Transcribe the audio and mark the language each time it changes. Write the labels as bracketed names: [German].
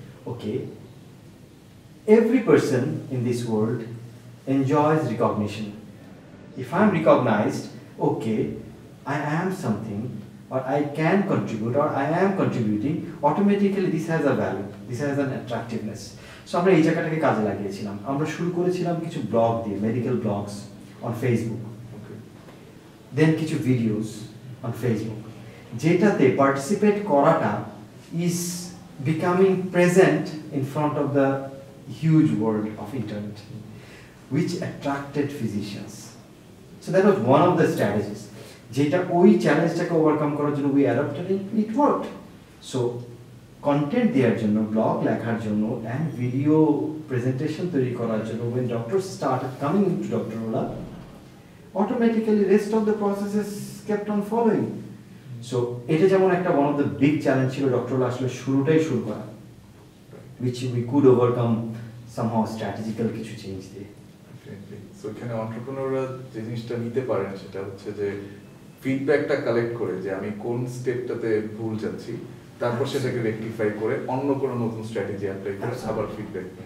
[English] Okay, every person in this world enjoys recognition, if I am recognised, okay I am something, or I can contribute, or I am contributing, automatically this has a value, this has an attractiveness. [Bangla] So আমরা এই জায়গাটাকে কাজে লাগিয়েছিলাম। আমরা শুরু করেছিলাম কিছু blog দিয়ে, মেডিকেল ব্লগস অন ফেসবুক, দেন কিছু ভিডিওস অন ফেসবুক, যেটাতে পার্টিসিপেট করাটা [English] Is becoming present in front of the huge world of internet, which attracted physicians. So that was one of the strategies, [Bangla] যেটা ওই চ্যালেঞ্জটাকে ওভারকাম করার জন্য [English] We adopted, it worked. [Bangla] So content দেওয়ার জন্য, blog লেখার জন্য অ্যান্ড ভিডিও প্রেজেন্টেশন তৈরি করার জন্য, [English] when doctor started coming to doctor [Bangla] OLA, [English] automatically rest of the process is kept on following. [Bangla] So এটা যেমন একটা [English] one of the big challenge [Bangla] ছিল ডক্টরল আসলে শুরুটাই শুরু করা, [English] which we could overcome somehow [Bangla] strategical কিছু চেঞ্জ দিয়ে. So এখানে entrepreneurরা যে জিনিসটা নিতে পারেন সেটা হচ্ছে যে ফিডব্যাকটা কালেক্ট করে যে আমি কোন স্টেপটাতে ভুল যাচ্ছি, তারপর সেটাকে রেক্টিফাই করে অন্য কোনো নতুন স্ট্র্যাটেজি অ্যাপ্লাই করে আবার ফিডব্যাক.